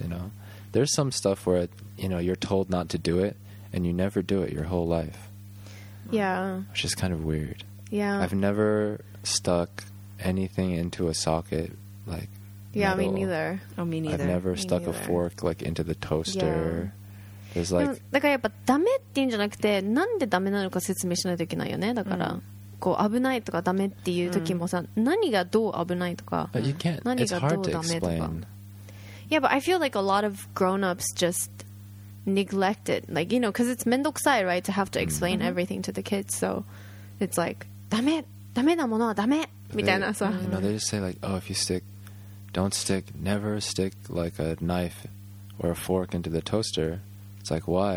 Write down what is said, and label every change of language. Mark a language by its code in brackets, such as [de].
[en] You know, there's some stuff where it, you know you're told not to do it and you never do it your whole life. Yeah. Which is kind of weird. Yeah. I've never stuck anything into a socket like yeah, metal. Me neither. Oh, me neither. I've never me stuck neither. A fork like into the toaster. Yeah. There's like [ja] だからやっぱダメって言うんじゃなくてなんでダメなのか説明しないといけないよね。だから、こう危ないとかダメっていう時もさ、何がどう危ないとか、 [en] you can't, [ja] 何がどうダメとか。 [en] It's hard to explain. Yeah, but I feel like a lot of grown-ups justneglect it, like you know, because it's mendokusai, right, to have to explain mm-hmm. everything to the kids. So it's like, [ja] dame, dame na mono, dame, mitaina. [en] So you know, they just say like, oh, if you stick, don't stick, never stick like a knife or a fork into the toaster. It's like, why?